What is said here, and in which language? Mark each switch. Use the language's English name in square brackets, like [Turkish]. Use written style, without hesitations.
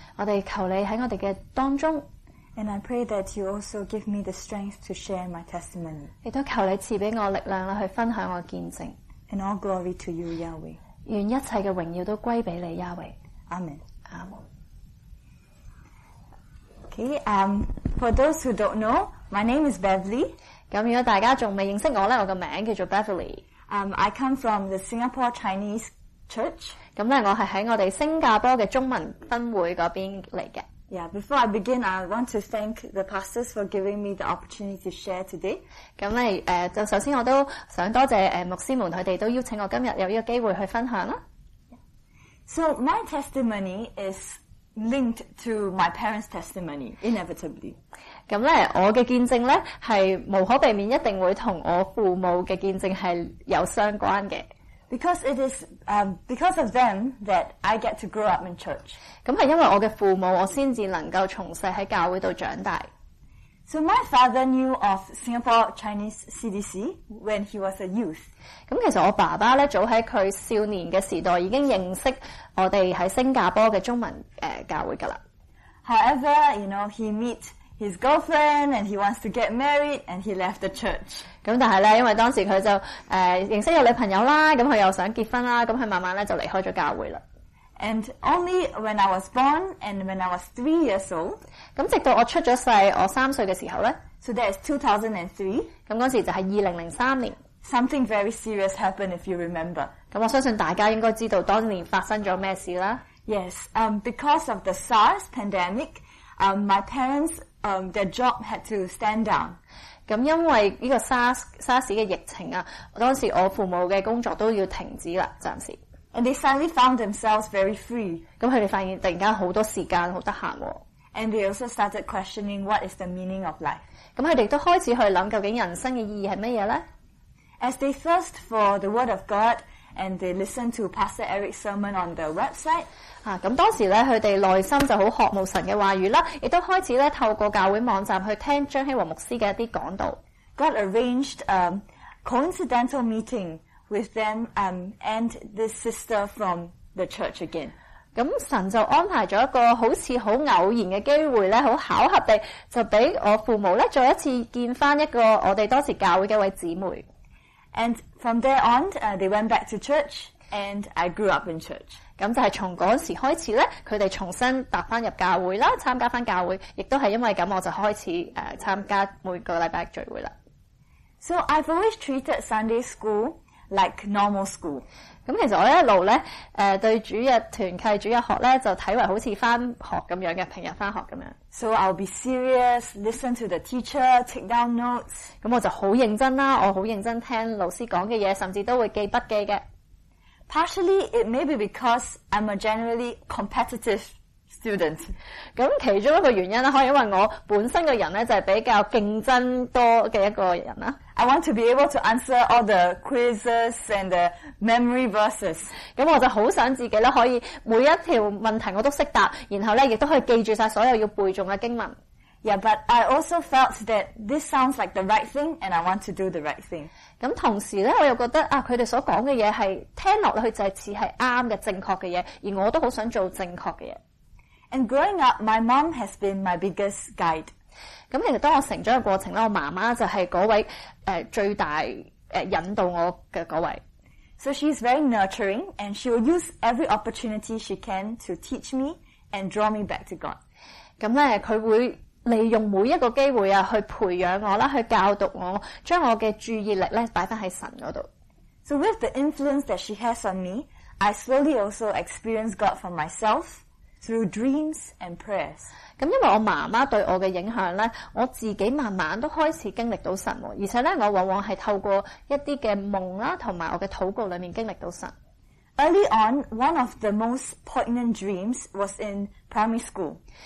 [Cantonese] 我哋求你喺我哋嘅当中。 [English] And I pray that you also give me the strength to share my testimony. [Cantonese] 亦都求你赐俾我力量啦，去分享我见证。 [English] And all glory to you, Yahweh. [Cantonese] 愿一切的荣耀都归给你亚维。 [English] Amen. Amen. Okay, for those who don't know, my name is Beverly. [Cantonese] 如果大家还未认识我，我的名字叫做 Beverly. [English] I come from the Singapore Chinese Church. [Cantonese] 我是在我们新加坡的中文分会那边来的。 [English] Yeah, before I begin, I want to thank the pastors for giving me the opportunity to share today. [Cantonese] 咁咧，就首先我都想多谢牧师们，佢哋都邀请我今日有呢个机会去分享啦。 [English] So my testimony is linked to my parents' testimony inevitably. [Cantonese] 咁咧，我嘅见证咧系无可避免，一定会同我父母嘅见证系有相关嘅。 [English] Because it is because of them that I get to grow up in church. [Cantonese] 咁系因为我嘅父母，我先至能够从细喺教会度长大。 [English] So my father knew of Singapore Chinese CDC when he was a youth. [Cantonese] 咁其实我爸爸咧，早喺佢少年嘅时代已经认识我哋喺新加坡嘅中文教会噶啦。 [English] However, you know, he meet his girlfriend and he wants to get married and he left the church. [Cantonese] 咁但系咧，因为当时佢就认识有女朋友啦，咁佢又想结婚啦，咁佢慢慢咧就离开咗教会啦。 [English] And only when I was born and when I was 3 years old. [Cantonese] 咁直到我出咗世，我三岁嘅时候咧。 [English] So that is 2003. [Cantonese] 咁嗰时就系2003年。 [English] Something very serious happened, if you remember. [Cantonese] 咁我相信大家应该知道当年发生咗咩事啦。 [English] Yes, because of the SARS pandemic, my parents, their job had to stand down. [Cantonese] 咁因为呢个SARS嘅疫情啊，当时我父母嘅工作都要停止啦，暂时。 [English] And they suddenly found themselves very free. [Cantonese] 咁佢哋发现突然间好多时间，好得闲。 [English] And they also started questioning what is the meaning of life. [Cantonese] 咁佢哋都开始去谂究竟人生嘅意义系乜嘢咧 [English] ？As they thirst for the word of God, and they listen to Pastor Eric's sermon on the website. [Cantonese] 咁当时咧，佢哋内心就好渴慕神嘅话语啦，亦都开始咧透过教会网站去听张希和牧师嘅一啲讲道。 [English] God arranged a coincidental meeting with them and this sister from the church again. [Cantonese] 咁神就安排咗一个好似好偶然嘅机会咧，好巧合地就俾我父母咧再一次见翻一个我哋当时教会嘅一位姊妹。 [English] And from there on, they went back to church, and I grew up in church. [Cantonese] 咁就系从嗰时开始咧，佢哋重新踏翻入教会啦，参加翻教会，亦都系因为咁，我就开始参加每个礼拜聚会啦。 [English] So I've always treated Sunday school like normal school. [Cantonese] 咁其实我一路咧，对主日团契、主日学咧，就睇为好似翻学咁样嘅，平日翻学咁样。 [English] So I'll be serious, listen to the teacher, take down notes. [Cantonese] 咁我就好认真啦，我好认真听老师讲嘅嘢，甚至都会记笔记嘅。 [English] Partially, it may be because I'm a generally competitive student. [Cantonese] 咁其中一个原因咧，可以因为我本身嘅人咧就系比较竞争多嘅一个人啦。 [English] I want to be able to answer all the quizzes and the memory verses. [Cantonese] 咁我就好想自己咧可以每一条问题我都识答，然后咧亦都可以记住晒所有要背诵嘅经文。 [English] Yeah, but I also felt that this sounds like the right thing, and I want to do the right thing. [Cantonese] 咁同时咧，我又觉得啊，佢哋所讲嘅嘢系听落去就系似系啱嘅、正确嘅嘢，而我都好想做正确嘅嘢。 [English] And growing up, my mom has been my biggest guide. [Cantonese] 咁其实当我成长嘅过程咧，我妈妈就系嗰位最大引导我嘅嗰位。 [English] So she's very nurturing, and she will use every opportunity she can to teach me and draw me back to God. [Cantonese] 咁咧，佢会利用每一个机会啊，去培养我啦，去教导我，将我嘅注意力咧摆翻喺神嗰度。 [English] So with the influence that she has on me, I slowly also experienced God for myself through dreams and prayers. [Cantonese] 咁因為我媽媽對我嘅影響咧，我自己慢慢都開始經歷到神，而且咧，我往往係透過一啲嘅夢啦，同埋我嘅禱告裡面經歷到神。 [English] Early on, one of the most poignant dreams was in primary school.